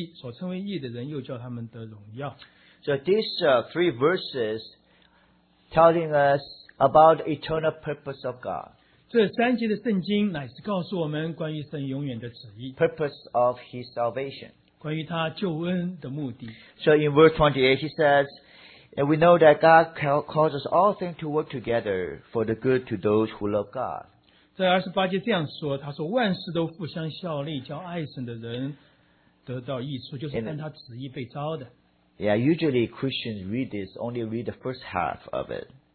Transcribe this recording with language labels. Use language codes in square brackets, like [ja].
[zh] 预先所定下的人又招他们来，所招来的人又称他们为义，所称为义的人又叫他们得荣耀。 [en] So these three verses telling us about the eternal purpose of God. [zh] 这三节的圣经乃是告诉我们关于神永远的旨意。 [en] Purpose of His salvation. [zh] 关于他救恩的目的。 [en] So in verse 28 he says, and we know that God causes all things to work together for the good to those who love God. [zh] 在28节这样说，他说万事都互相效力，叫爱神的人得到益处，就是按他旨意被招的。 [en] usually Christians read this, only read the first half of it.